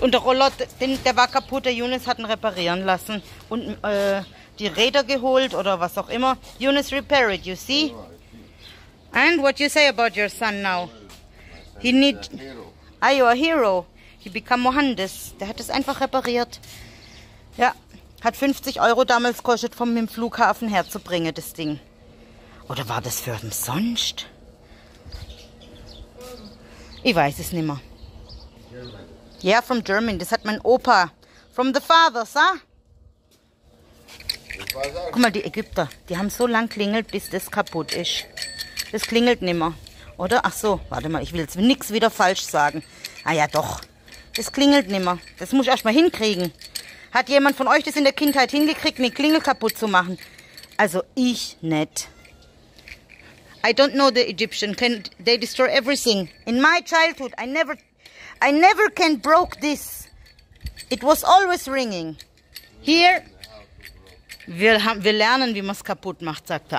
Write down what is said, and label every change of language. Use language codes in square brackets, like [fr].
[de] Und der Rollot, der war kaputt. Der Yunus hat ihn reparieren lassen. Und die Räder geholt oder was auch immer. [en] Yunus repair it, you see? And what you say about your son now? He need... Are you a hero? He become Mohandes. [de] Der hat es einfach repariert. Ja. Hat 50 Euro damals gekostet, vom dem Flughafen herzubringen, das Ding. Oder war das für umsonst? Ich weiß es nicht mehr. Ja, [en] yeah, from Germany. [de] Das hat mein Opa. [en] From the fathers, ah? [de] Guck mal, die Ägypter. Die haben so lang klingelt, bis das kaputt ist. Das klingelt nicht mehr. Oder? Ach so, warte mal. Ich will jetzt nichts wieder falsch sagen. Ah ja, doch. Das klingelt nicht mehr. Das muss ich erst mal hinkriegen. Hat jemand von euch das in der Kindheit hingekriegt, eine Klingel kaputt zu machen? Also ich nicht. [en] I don't know the Egyptian. Can they destroy everything? In my childhood, I never can broke this. It was always ringing. Here, [de] wir lernen, wie man es kaputt macht, sagt er.